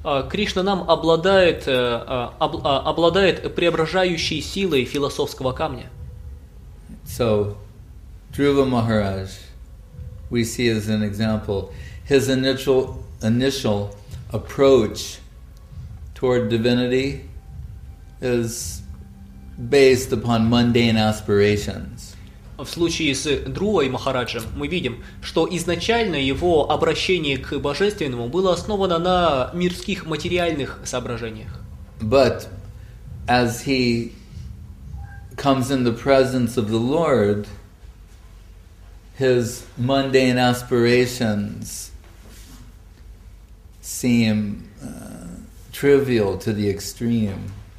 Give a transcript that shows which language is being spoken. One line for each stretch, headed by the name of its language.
Russian: Кришна нам обладает, обладает преображающей силой философского камня.
English: So, Dhruva Maharaj, we see as an example, his initial approach toward divinity is based upon mundane aspirations.
Russian: В случае с Друой Махараджем мы видим, что изначально его обращение к Божественному было основано на мирских материальных соображениях.
English: But as he comes in the presence of the Lord, his mundane aspirations seem trivial to the extreme.